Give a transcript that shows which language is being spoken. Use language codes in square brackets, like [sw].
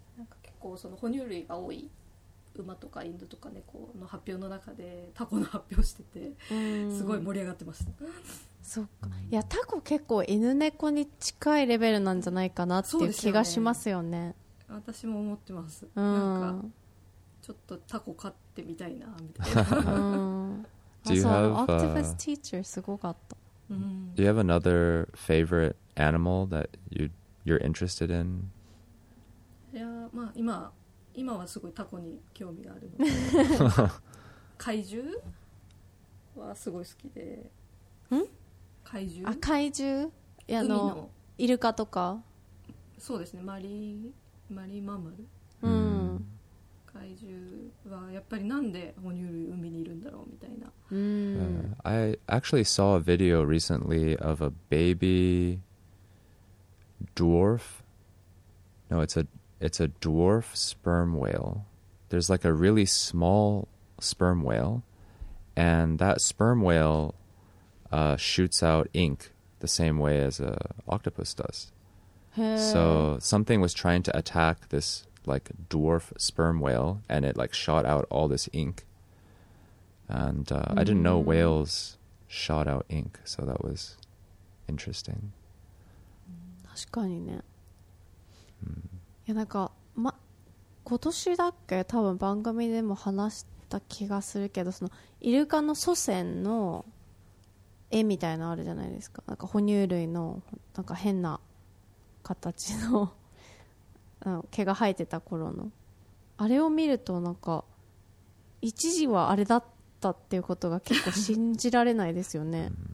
[ja] なんか結構その哺乳類が多い馬とか犬とか猫の発表の中でタコの発表してて、うん、すごい盛り上がってました。そっか、いやタコ結構犬猫に近いレベルなんじゃないかなっていう気がしますよね。そうですよね、私も思ってます、うん、なんかちょっとタコ飼ってみたいなみたいな。 [en] Do you have a octopus teacher? [ja] すごかった。 [en] Do you have another favorite animal that you're interested in? [ja] いや、まあ今はすごいタコに興味があるので怪獣はすごい好きで。ん？怪獣？あ、怪獣？海のイルカとか。そうですね、マリンマンマル、うん、怪獣はやっぱりなんで哺乳類海にいるんだろうみたいな。 [en] I actually saw a video recently of a baby dwarf. No, it's a dwarf sperm whale. There's like a really small sperm whale, and that sperm whale shoots out ink the same way as an octopus does. So something was trying to attack this like dwarf sperm whale, and it like shot out all this ink. And I didn't know whales shot out ink, so that was interesting. [ja] 確かにね。いやなんか、ま、今年だっけ多分番組でも話した気がするけど、そのイルカの祖先の絵みたいなのあるじゃないですか、なんか哺乳類のなんか変な形の毛が生えてた頃のあれを見るとなんか一時はあれだったっていうことが結構信じられないですよね。